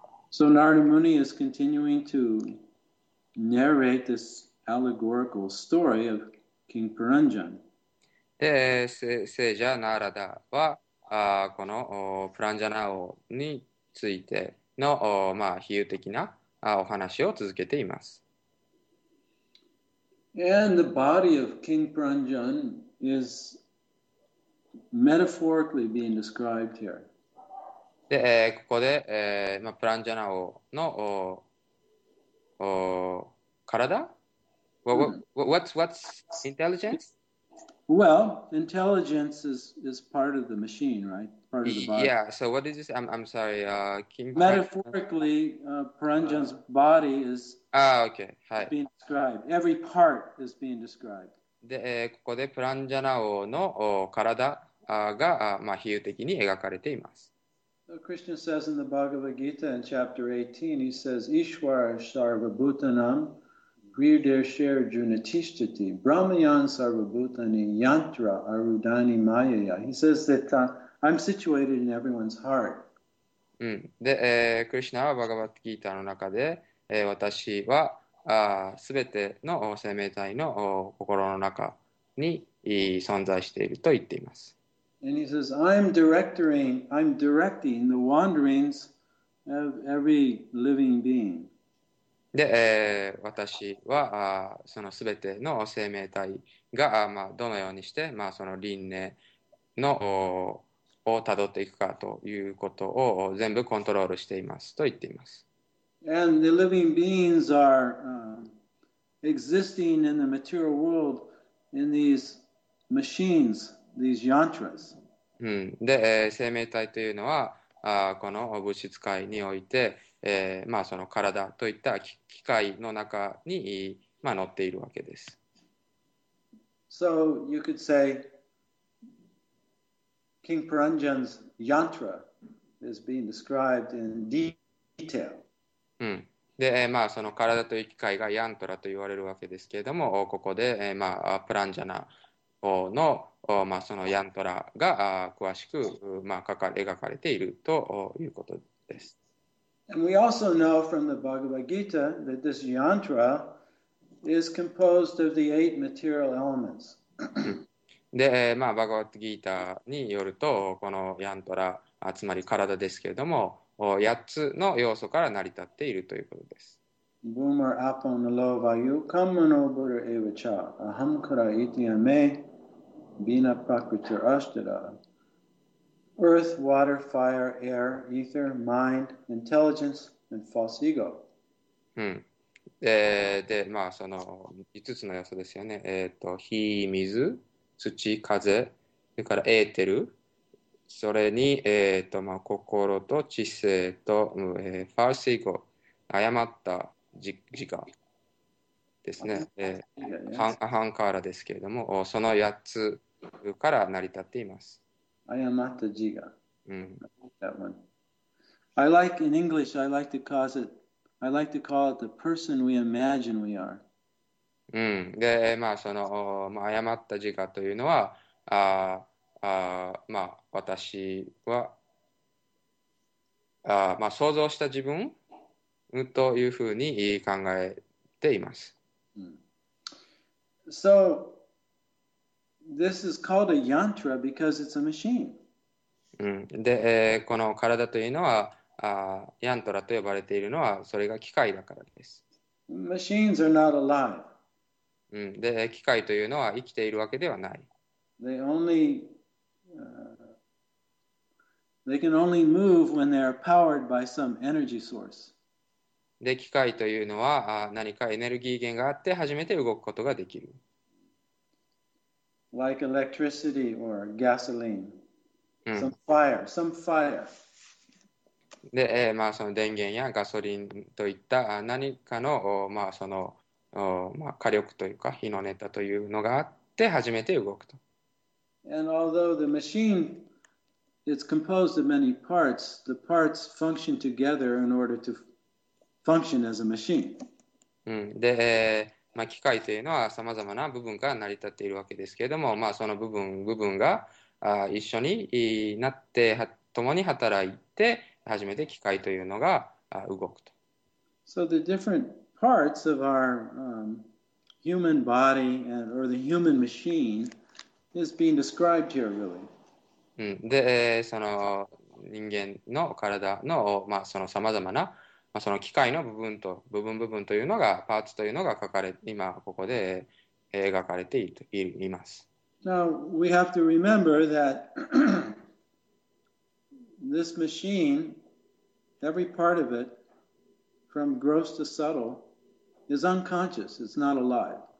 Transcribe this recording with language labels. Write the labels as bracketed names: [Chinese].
[English] So Narada Muni is continuing to narrate this allegorical story of King Paranjan. [Japanese] で、聖者ナーラダは、このプランジャナ王についての、まあ、比喩的なお話を続けています。 [English] And the body of King Paranjan is metaphorically being described here. [Japanese] で、ここで、まあ、プランジャナ王の体 [English] What's intelligence? Well, intelligence is part of the machine, right? Part of the body. Yeah, so what is this? I'm sorry. King Metaphorically, Paranjan's body is okay. Hi. being described. Every part is being described. [Japanese] で、ここでプランジャナ王の体が、まあ、比喩的に描かれています。 [English] So Krishna says in the Bhagavad Gita in chapter 18, he says, [Sanskrit] Ishwara Sarva Bhutanam, Grirdesher Junatishtati, Brahmayan Sarvabhutani Yantra Arudani Mayaya. [English] He says that I'm situated in everyone's heart. [Japanese] で、クリシナはバガバッドギーターの中で、私はすべての生命体の心の中に存在していると言っています。 [English] And he says, I'm directing the wanderings of every living being. [Japanese] で、私はそのすべての生命体が、まあ、どのようにして、まあ、その輪廻のをたどっていくかということを全部コントロールしていますと言っています。 [English] And the living beings are existing in the material world in these machines, these yantras. [Japanese] で、生命体というのはこの物質界において、まあ、その体といった機械の中に、まあ、乗っているわけです。 [English] So you could say King Paranjan's yantra is being described in detail. [Japanese] で、まあ、その体という機械がヤントラと言われるわけですけれども、ここで、まあ、プランジャナの、まあ、そのヤントラが詳しく、まあ、描かれているということです。 [English] And we also know from the Bhagavad Gita that this yantra is composed of the eight material elements. [Japanese] で、まあ、バガバッドギーターによると、このヤントラ、つまり体ですけれども、8つの要素から成り立っているということです。 [Sanskrit] ブーマー、アポン、ロー、ワユ、カムノ、ブル、エヴァチャ、アハムカラ、イティアメ、ビナ、プラクチャ、アシュタラ、 [English] Earth, water, fire, air, ether, mind, intelligence, and false ego. [Japanese] で、まあ、その5つの要素ですよね。火、水、土、風、それからエーテル、それに、まあ、心と知性と、ファルスイゴ、誤った自我ですね。アハンカーラですけれども、その8つから成り立っています。誤った自我。 [English] I like in English, I like to call it the person we imagine we are. [Japanese] で、まあ、その、まあ、誤った自我というのは、まあ、私は、まあ、想像した自分というふうに考えています。 [English] So, this is called a yantra because it's a machine. [Japanese] で、この体というのは、ヤントラと呼ばれているのは、それが機械だからです。 [English] Machines are not alive. [Japanese] で、機械というのは生きているわけではない。 [English] They only, they can only move when they are powered by some energy source. [Japanese] で、機械というのは何かエネルギー源があって初めて動くことができる。 [English] Like electricity or gasoline. Some fire. [Japanese] で、まあ、その電源やガソリンといった何かの、まあ、そのまあ、火力というか火のネタというのがあって初めて動くと。 [English] And although the machine is composed of many parts, the parts function together in order to function as a machine. [Japanese] で、まあ、機械というのはさまざまな部分から成り立っているわけですけれども、まあ、その部分が一緒になって共に働いて初めて機械というのが動くと。 [English] So the differentParts of our human body and or the human machine is being described here, really. [Japanese] で、その人間の体の、まあ、そのさまざまな、まあ、その機械の部分というのが、パーツというのが書かれ、今ここで描かれています。 [English] Now, we have to remember that this machine, every part of it, from gross to subtle,is unconscious, it's not alive.